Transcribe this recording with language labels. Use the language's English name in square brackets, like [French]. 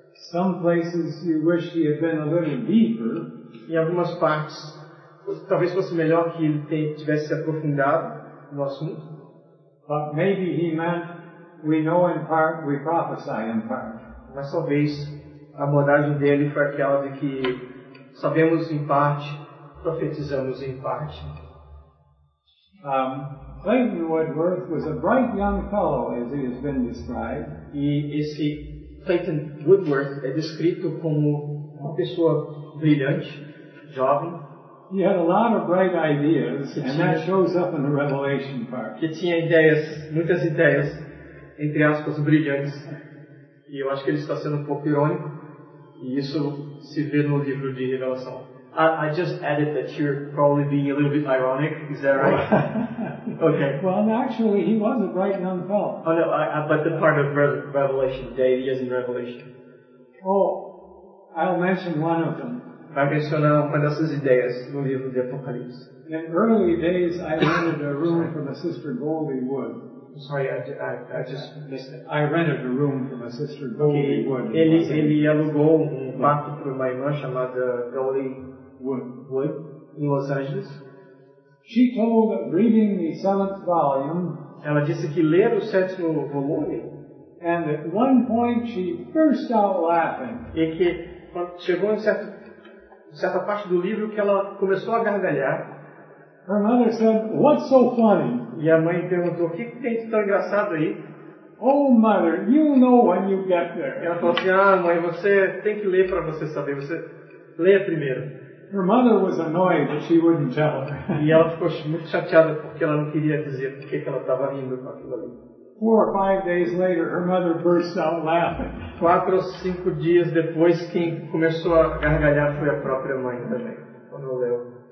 [English] some places you wish he had been a little deeper. [Portuguese] Em algumas partes, talvez fosse melhor que ele tivesse se aprofundado no assunto. [English] But maybe he meant we know in part, we prophesy in part. [Portuguese] Mas talvez a abordagem dele foi aquela de que sabemos em parte, profetizamos em parte. [English] Clayton Woodworth was a bright young fellow, as he has been described. [Portuguese] E esse Clayton Woodworth é descrito como uma pessoa brilhante, jovem. [English] He had a lot of bright ideas, and that shows up in the Revelation part. [Portuguese] Que tinha ideias, muitas ideias, entre aspas, brilhantes. E eu acho que ele está sendo um pouco irônico, e isso se vê no livro de Revelação. [English] I just added that you're probably being a little bit ironic. Is that right? Okay. Well, actually, he was a bright young fellow. Oh no, but the part of Revelation, that he is in Revelation. Oh, I'll mention one of them. [Portuguese] Vai mencionar uma dessas ideias no livro de Apocalipse. [English] In early days, I rented a room from a sister Goldie Wood. Sorry, I just missed it. I rented a room from a sister Goldie Wood. [Portuguese] Ele alugou um quarto para uma irmã chamada Goldie Wood em Los Angeles. [English] She told that reading the seventh volume. [Portuguese] Ela disse que ler o sétimo volume. [English] And at one point she burst out laughing. [Portuguese] E que chegou em certa parte do livro que ela começou a gargalhar. [English] Her mother said, "What's so funny?" [Portuguese] E a mãe perguntou, o que tem de tão engraçado aí? [English] Oh, mother, you know when you get there. [Portuguese] Ela falou assim, ah, mãe, você tem que ler para você saber. Você lê primeiro. [English] Her mother was annoyed that she wouldn't tell her. [Portuguese] E ela ficou muito chateada porque ela não queria dizer por que ela estava rindo com aquilo ali. [English] 4 or 5 days later, her mother burst out laughing. [Portuguese] 4 ou 5 dias depois, quem começou a gargalhar foi a própria mãe também, quando leu.